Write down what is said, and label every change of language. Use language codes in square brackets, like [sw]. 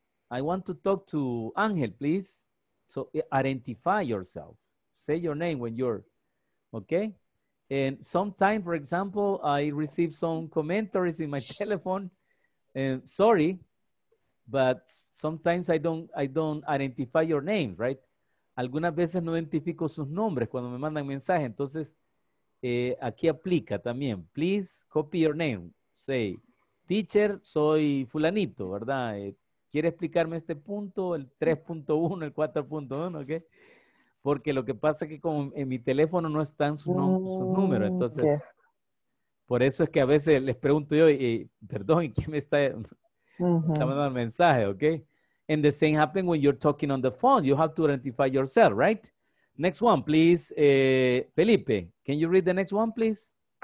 [en] I want to talk to Ángel, please. So identify yourself. Say your name when you're, okay? And sometimes, for example, I receive some commentaries in my telephone. And sorry, but sometimes I don't identify your name, right? [es] Algunas veces no identifico sus nombres cuando me mandan mensaje. Entonces, aquí aplica también. [en] Please copy your name. Say, teacher, [es] soy fulanito, ¿verdad? ¿Quiere explicarme este punto? El 3.1, el 4.1, ¿ok? Porque lo que pasa es que como en mi teléfono no están sus números. Entonces, por eso es que a veces les pregunto yo, perdón, ¿quién me está mandando el mensaje? ¿Ok? [en] And the same happens when you're talking on the phone. You have to identify yourself, right? Next one, please. Felipe, can you read the next one, please?